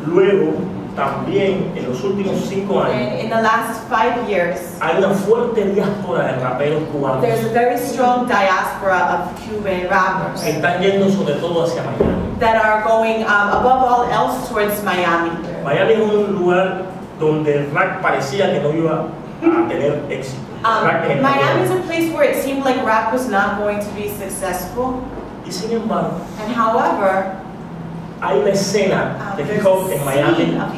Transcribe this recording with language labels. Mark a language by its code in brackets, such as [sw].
[es] Luego, también en los últimos cinco años, [en] in the last 5 years, [es] hay una fuerte diáspora de raperos cubanos. [en] There's a very strong diaspora of Cuban rappers. [es] Que están yendo sobre todo hacia Miami. [en] That are going above all else towards Miami. [es] Miami es un lugar donde el rap parecía que no iba a tener éxito. [en] Miami is a place where it seemed like rap was not going to be successful. [es] Y sin embargo, [en] and however, [es] hay una escena de hip-hop en Miami,